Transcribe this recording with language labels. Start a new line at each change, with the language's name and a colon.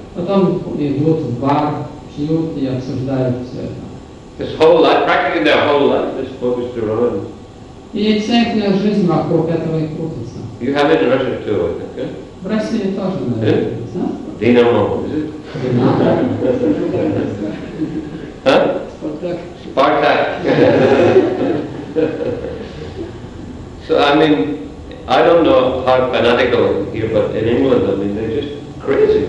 Russian: Потом идут в бар, пьют и обсуждают все это.
English: His whole life, practically their whole life is focused around.
Russian: И вся их жизнь вокруг этого и крутится.
English: You have it in Russia too, I think,
Russian: В России тоже, наверное.
English: Yeah? Динамо, is it?
Russian: Спартак. Спартак.
English: So I mean, I don't know how fanatical here, but in England, I mean, they're just crazy.